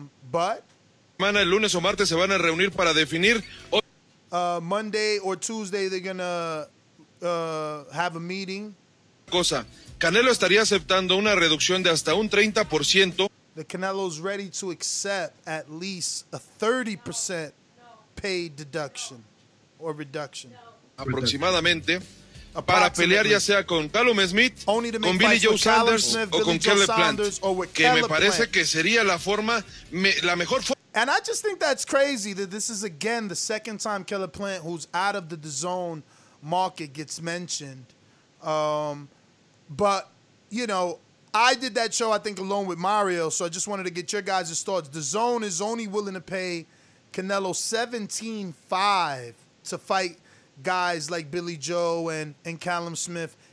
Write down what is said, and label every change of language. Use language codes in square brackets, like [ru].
[en] But Monday or Tuesday they're gonna have a meeting. [es] Cosa. Canelo estaría aceptando una reducción de hasta un 30%. [en] The Canelo's ready to accept at least a 30% pay deduction or reduction? [es] Aproximadamente. Para pelear ya sea con Callum Smith, con Billy Joe Saunders o con Caleb Plant, que me parece que sería la forma, la mejor forma. [en] And I just think that's crazy that this is, again, the second time Caleb Plant, who's out of the DAZN market, gets mentioned. But, you know, I did that show, I think, alone with Mario, so I just wanted to get your guys' thoughts. DAZN is only willing to pay Canelo $17.5 to fight guys like Billy Joe and Callum Smith.